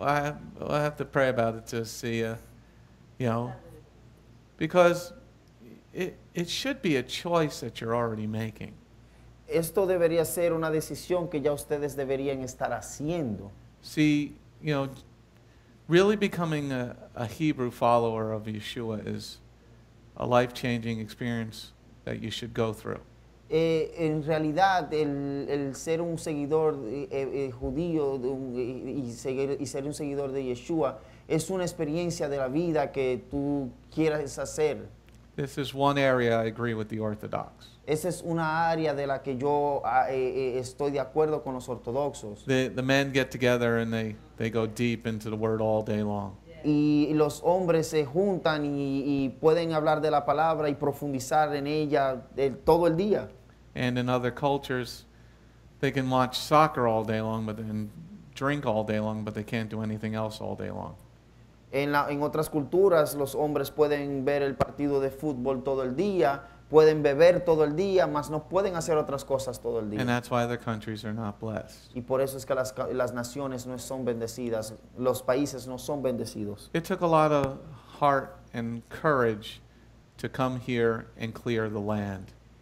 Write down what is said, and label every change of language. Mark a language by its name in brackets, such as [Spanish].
[English] I have to pray about it to see, because it should be a choice that you're already making. [Spanish] Esto debería ser una decisión que ya ustedes deberían estar haciendo. [English] See, really becoming a Hebrew follower of Yeshua is a life-changing experience that you should go through. [Spanish] En realidad, el ser un seguidor judío y ser un seguidor de Yeshua es una experiencia de la vida que tú quieras hacer. [English] This is one area I agree with the Orthodox. [Spanish] Esa es una área de la que yo estoy de acuerdo con los ortodoxos. [English] The men get together and they go deep into the word all day long. [Spanish] Y los hombres se juntan y pueden hablar de la palabra y profundizar en ella todo el día. [English] And in other cultures, they can watch soccer all day long, but then drink all day long, but they can't do anything else all day long. [Spanish] En otras culturas, los hombres pueden ver el partido de fútbol todo el día, pueden beber todo el día, mas no pueden hacer otras cosas todo el día. [English] And that's why their countries are not blessed. [Spanish] Y por eso es que las naciones no son bendecidas, los países no son bendecidos. [English] It took a lot of heart and courage to come here and clear the land.